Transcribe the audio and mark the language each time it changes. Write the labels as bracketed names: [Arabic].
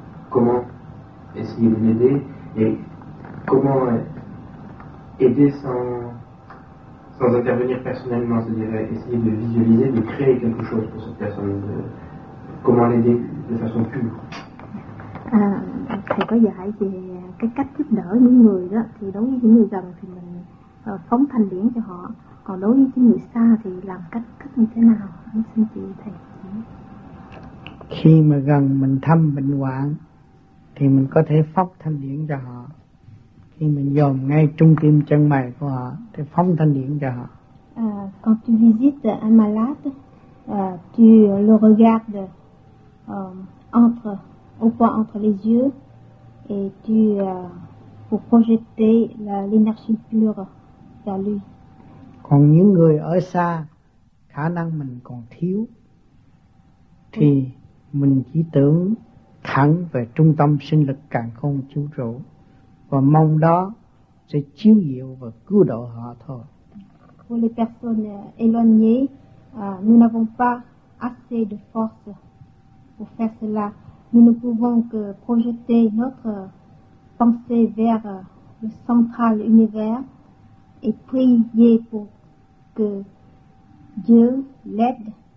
[French] Comment essayer de l'aider et comment aider sans intervenir personnellement, c'est-à-dire essayer de visualiser, de créer quelque chose pour cette personne, comment l'aider de façon pure. [Vietnamese] Thầy có dạy về cái cách giúp đỡ những người đó, thì đối với những người gần thì mình phóng thanh điển cho họ, còn đối với những người xa thì làm cách như thế nào? Xin chị thầy. Khi mà gần mình thăm bệnh hoạn thì mình có thể phóng thanh điển cho họ, khi mình dòm ngay trung tim chân mày của họ thì phóng thanh điển cho họ. [French] Quand tu visites un malade, tu le regardes entre au point entre les yeux et tu pour projeter l'énergie pure vers lui. [Vietnamese] Còn những người ở xa, khả năng mình còn thiếu, thì mình chỉ tưởng thẳng về trung tâm sinh lực càn khôn vũ trụ và mong đó sẽ chiếu diệu và cứu độ họ thôi. [French] Pour les personnes éloignées, nous n'avons pas assez de force pour faire cela. Nous ne pouvons que projeter notre pensée vers le central univers et prier pour que Dieu l'aide.